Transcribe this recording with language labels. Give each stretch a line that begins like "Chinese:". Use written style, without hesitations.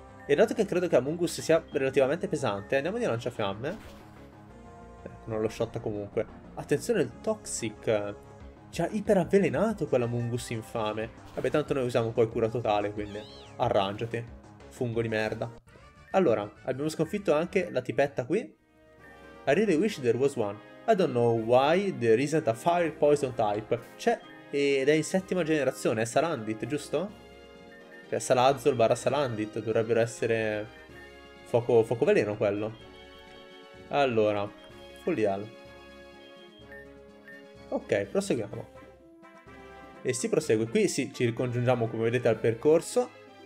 Italian: E dato che credo che Amoongus sia relativamente pesante, andiamo di lanciafiamme. Ecco, non lo sciotta comunque. Attenzione, il Toxic. Ci ha iperavvelenato quella Mungus infame. Vabbè, tanto noi usiamo poi cura totale, quindi arrangiati, fungo di merda. Allora, abbiamo sconfitto anche la tipetta qui.
English: I really wish there was one. I don't know why there isn't a fire poison type.
Italian: C'è, ed è in settima generazione, è Salandit, giusto? Cioè, Salazzol barra Salandit dovrebbero essere fuoco veleno quello. Allora, Folial. Ok, proseguiamo. E si prosegue. Qui sì, ci ricongiungiamo come vedete al percorso.